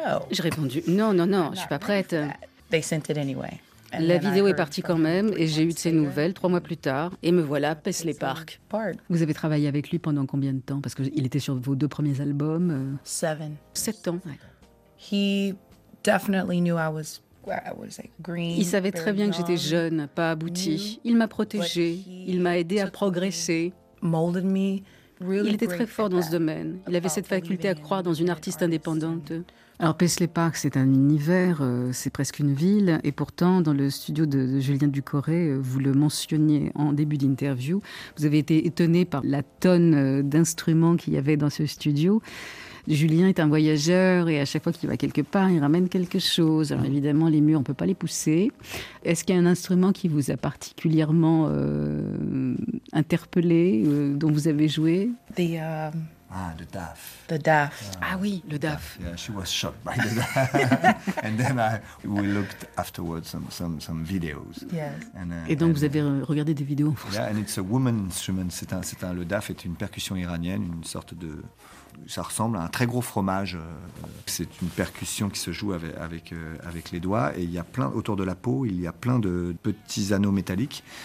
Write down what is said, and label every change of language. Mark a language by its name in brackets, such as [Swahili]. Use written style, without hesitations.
[French] J'ai répondu « Non, non, non, je ne suis pas prête. » La vidéo est partie quand même et j'ai eu de ses nouvelles 3 mois plus tard et me voilà à Paisley Park. Vous avez travaillé avec lui pendant combien de temps? Parce qu'il était sur vos 2 premiers albums. 7. 7 ans, ouais. [English] He definitely knew I was. [French] Il savait très bien que j'étais jeune, pas aboutie. Il m'a protégée, il m'a aidée à progresser. Il était très fort dans ce domaine. Il avait cette faculté à croire dans une artiste indépendante. Alors, Paisley Park, c'est un univers, c'est presque une ville. Et pourtant, dans le studio de Julien Ducoré, vous le mentionniez en début d'interview, vous avez été étonné par la tonne d'instruments qu'il y avait dans ce studio. Julien est un voyageur et à chaque fois qu'il va quelque part, il ramène quelque chose. Alors évidemment, les murs, on ne peut pas les pousser. Est-ce qu'il y a un instrument qui vous a particulièrement interpellé, dont vous avez joué? [English] The daf. The daf. [French] Ah oui, le daf. [English] Yeah, she was shocked by the daf. And then we looked afterwards some videos. Yes. [French] Vous avez regardé des vidéos. [English] Yeah, and it's a woman instrument. [French] Le daf est une percussion iranienne, une sorte de ça ressemble à un très gros fromage. C'est une percussion qui se joue avec les doigts. Et il y a plein, autour de la peau, il y a plein de petits anneaux métalliques.